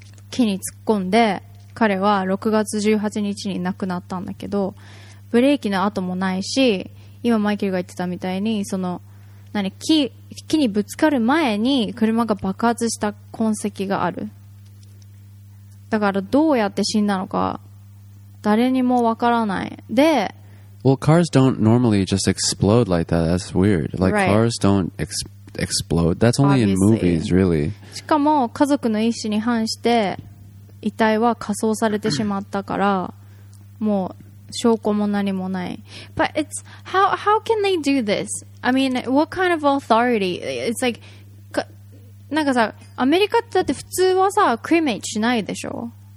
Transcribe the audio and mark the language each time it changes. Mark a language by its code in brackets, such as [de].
[ja] 木に突っ込んで、彼は6月18日に亡くなったんだけど、ブレーキの跡もないし、今マイケルが言ってたみたいにその何 木にぶつかる前に車が爆発した痕跡がある。だからどうやって死んだのか誰にもわからない。で、 [en] Well, cars don't normally just explode like that. That's weird. Like, right. Cars don't explode. That's only Obviously. In movies, really. [ja] しかも家族の意思に反して遺体は火葬されてしまったからもう証拠も何もない。 [en] But it's how can they do this? I mean, what kind of authority? It's like, [ja] なんかさ、アメリカってだって普通はさ、クリメイトしないでしょ。